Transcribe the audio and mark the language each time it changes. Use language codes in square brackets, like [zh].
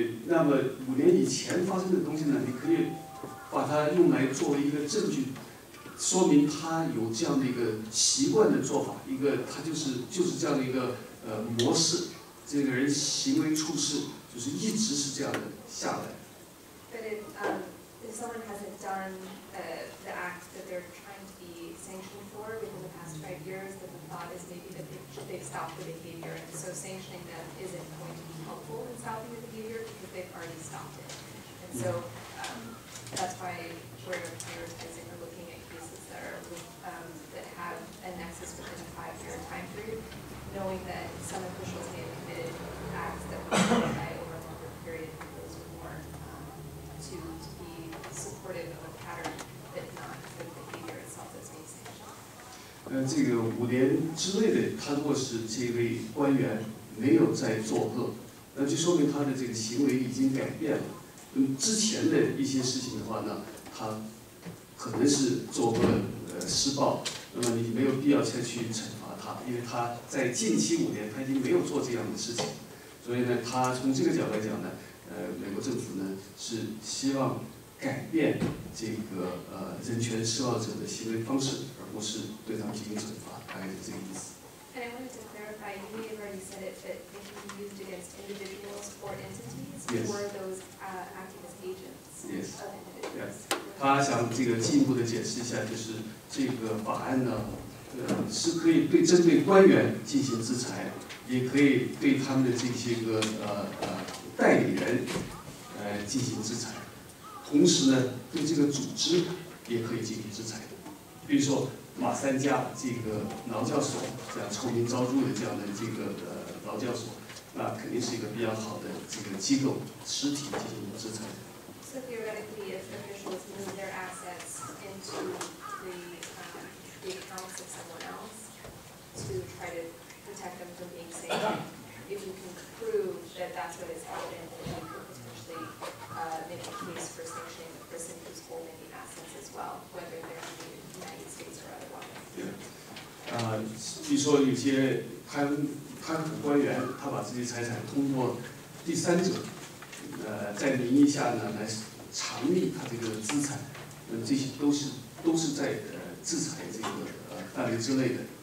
[zh] 那么5年以前发生的东西呢，你可以把它用来作为一个证据，说明他有这样的一个习惯的做法，一个他就是这样的一个模式。这个人行为处事就是一直是这样的下来。 [en] But if someone hasn't done the act that they're trying to be sanctioned for within the past 5 years, then the thought is maybe that they've stopped the behavior, and so sanctioning them isn't going to be helpful in stopping the behavior because they've already stopped it. And so that's why we're prioritizing or looking at cases that are that have a nexus within a 5 year time period, knowing that some officials may have committed acts that were committed over a longer period, and those were more to be supportive of a pattern that not for the behavior itself that's being sanctioned. [zh] 这个五年之内的他如果是这位官员没有在作恶，那就说明他的这个行为已经改变了。之前的一些事情的话呢，他可能是作恶施暴，那么你没有必要再去惩罚他，因为他在近期五年他已经没有做这样的事情。所以呢，他从这个角度来讲呢，美国政府呢是希望改变这个人权施暴者的行为方式，而不是对他们进行惩罚，大概是这个意思。 [en] And I wanted to clarify, you may have already said it, but they can be used against individuals or entities, or those acting as agents of individuals. [zh] 他想这个进一步的解释一下，就是这个法案呢，是可以对针对官员进行制裁，也可以对他们的这些个代理人进行制裁。同时呢，对这个组织也可以进行制裁的，比如说马三家这个劳教所，这样臭名昭著的这样的这个劳教所，那肯定是一个比较好的这个机构实体进行制裁的。 [en] So theoretically, if officials move their assets into the accounts of someone else to try to protect them from being sanctioned, if you can prove that that's what is happening, then you could potentially make a case for sanctioning the person who's holding the assets as well, whether they're in the United States or otherwise. Yeah. [zh] 据说有些贪腐官员，他把自己财产通过第三者，在名义下呢来藏匿他这个资产，这些都是在制裁这个范围之内的。